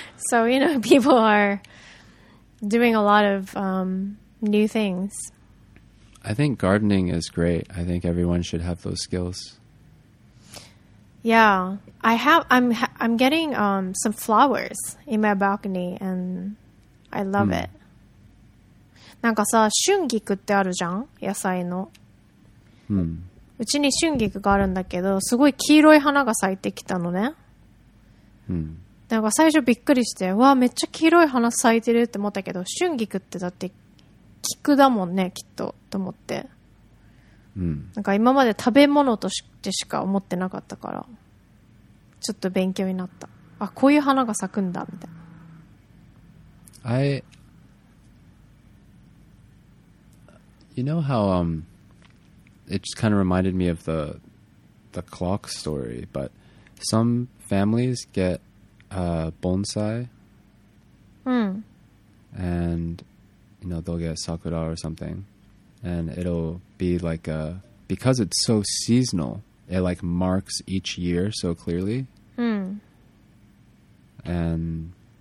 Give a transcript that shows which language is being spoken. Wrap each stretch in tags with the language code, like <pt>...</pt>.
<en>So, you know, people are doing a lot of new things. I think gardening is great. I think everyone should have those skills. Yeah. I'm getting some flowers in my balcony, and I love it.</en> <ja>なんかさ、春菊ってあるじゃん、野菜の。うちに春菊があるんだけど、すごい黄色い花が咲いてきたのね。なんか最初びっくりして、わあめっちゃ黄色い花咲いてるって思ったけど、春菊ってだって菊だもんね、きっとと思って。なんか今まで食べ物としてしか思ってなかったから、ちょっと勉強になった。あ、こういう花が咲くんだみたいな。</ja> <en>I You know how It just kind of reminded me of the clock story, but some families get bonsai, and you know they'll get sakura or something, and it'll be like a, because it's so seasonal, it like marks each year so clearly, and</en>